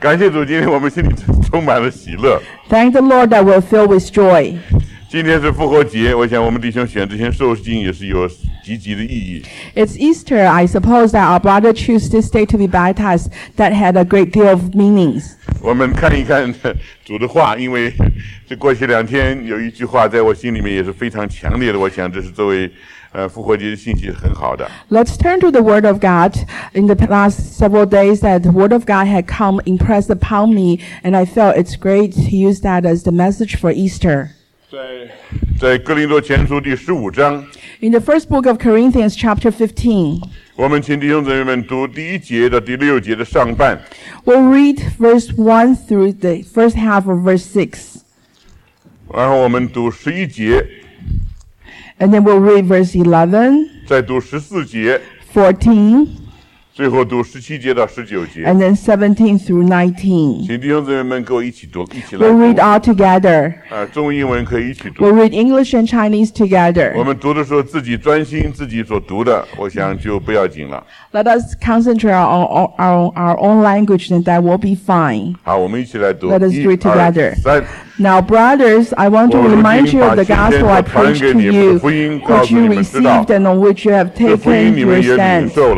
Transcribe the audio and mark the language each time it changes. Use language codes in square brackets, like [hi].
[zh] 感谢主，今天我们心里充满了喜乐。 [en] Thank the Lord that we're filled with joy. [zh] 今天是复活节，我想我们弟兄选这些寿星也是有积极的意义。 [en] It's Easter. I suppose that our brother choose this day to be baptized that had a great deal of meanings. [zh] 我们看一看主的话，因为这过去两天有一句话在我心里面也是非常强烈的，我想这是作为复活节的信息是很好的。 [en] Let's turn to the Word of God. In the last several days, that the Word of God had come impressed upon me, and I felt it's great to use that as the message for Easter. [zh] 在哥林多前书第十五章。 [en] In the first book of Corinthians, chapter 15. [zh] 我们请弟兄姊妹们读第一节到第六节的上半。 [en] We'll read verse 1 through the first half of verse 6. [zh] 然后我们读十一节。 [en] And then we'll read verse 11, [zh] 再读14节, [en] 14, [zh] 最后读17节到19节, [en] and then 17 through 19. [zh] 请弟兄姊妹们跟我一起读, 一起来读。 [en] We'll read all together. [zh] 中文英文可以一起读。 [en] We'll read English and Chinese together. [zh] 我们读的时候自己专心自己所读的, 我想就不要紧了。 [en] Let us concentrate on our own language and that will be fine. [zh] 好, 我们一起来读。 [en] Let us do it together. [zh] 一二三。 [en] Now, brothers, I want to remind you of the gospel I preached to you, which you received and on which you have taken your stand.